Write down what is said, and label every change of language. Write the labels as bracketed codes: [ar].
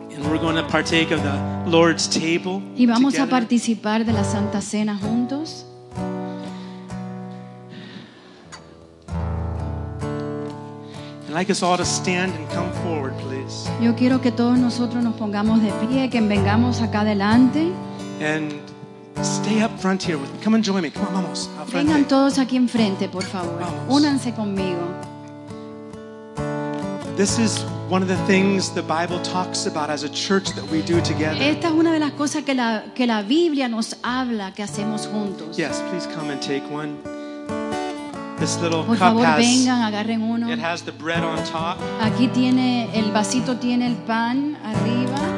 [en] And we're going to partake of the Lord's table. [es] Y vamos [en] together. [es] A participar de la Santa Cena juntos. [en] I'd like us all to stand and come forward, please. [es] Yo quiero que todos nosotros nos pongamos de pie, que vengamos acá adelante. [en] And stay up front here with me. Come and join me. Come on, [es] vamos. Vengan todos aquí enfrente, por favor. Vamos. Únanse conmigo. [en] This is one of the things the Bible talks about as a church that we do together. [es] Esta es una de las cosas que la Biblia nos habla que hacemos juntos. [en] Yes, please come and take one. This little [es] Por [en] cup [es] favor, [en] has, [es] vengan, agarren uno. [en] It has the bread on top. [es] Aquí tiene el vasito, tiene el pan arriba.